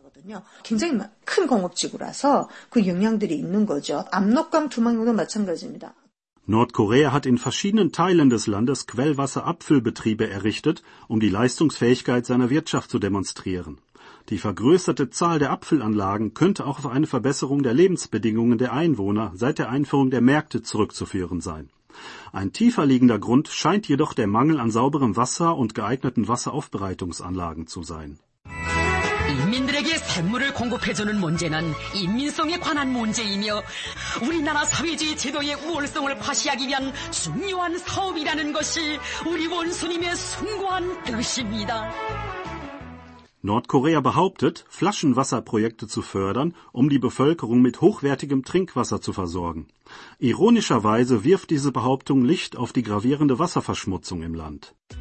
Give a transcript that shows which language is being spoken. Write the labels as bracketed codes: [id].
[de] Nordkorea hat in verschiedenen Teilen des Landes Quellwasserabfüllbetriebe errichtet, um die Leistungsfähigkeit seiner Wirtschaft zu demonstrieren. Die vergrößerte Zahl der Abfüllanlagen könnte auch auf eine Verbesserung der Lebensbedingungen der Einwohner seit der Einführung der Märkte zurückzuführen sein. Ein tiefer liegender Grund scheint jedoch der Mangel an sauberem Wasser und geeigneten Wasseraufbereitungsanlagen zu sein. [ko] 인민들에게 샘물을 공급해주는 문제는 인민성에 관한 문제이며 우리나라 사회주의 제도의 우월성을 과시하기 위한 중요한 사업이라는 것이 우리 원수님의 숭고한 뜻입니다. [de] Nordkorea behauptet, Flaschenwasserprojekte zu fördern, um die Bevölkerung mit hochwertigem Trinkwasser zu versorgen. Ironischerweise wirft diese Behauptung Licht auf die gravierende Wasserverschmutzung im Land.